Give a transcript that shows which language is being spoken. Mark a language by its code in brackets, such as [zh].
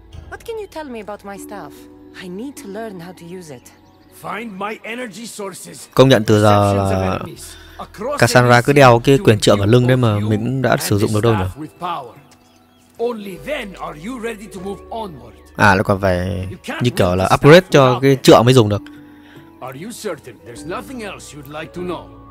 [en] What can you tell me about my stuff? I need to learn how to use it. Find my energy sources. [vi] Công nhận từ giờ là Cassandra cứ đeo cái quyển trượng ở lưng đấy mà mình cũng đã sử dụng được đâu nhỉ? [en] Only then are you ready to move onward. [vi] À, nó còn phải như kiểu là upgrade cho cái trượng mới dùng được. [en] Are you certain there's nothing else you'd like to know?